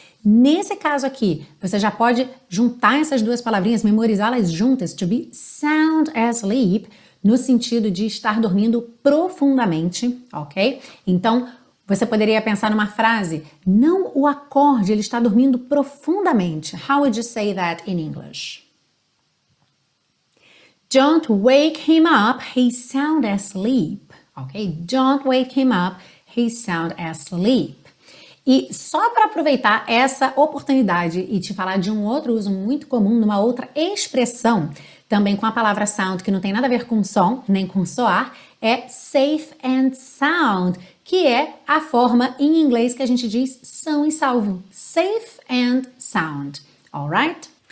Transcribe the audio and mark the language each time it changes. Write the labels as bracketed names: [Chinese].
[Portuguese] Nesse caso aqui, você já pode juntar essas duas palavrinhas, memorizá-las juntas, [English] to be sound asleep, [Portuguese] no sentido de estar dormindo profundamente, ok? Então, você poderia pensar numa frase, não o acorde, ele está dormindo profundamente. [English] How would you say that in English? Don't wake him up, he's sound asleep, ok? Don't wake him up. He sound asleep. [Portuguese] E só para aproveitar essa oportunidade e te falar de um outro uso muito comum, numa outra expressão, também com a palavra sound, que não tem nada a ver com som, nem com soar, é safe and sound, que é a forma em inglês que a gente diz são e salvo. [English] Safe and sound. Alright?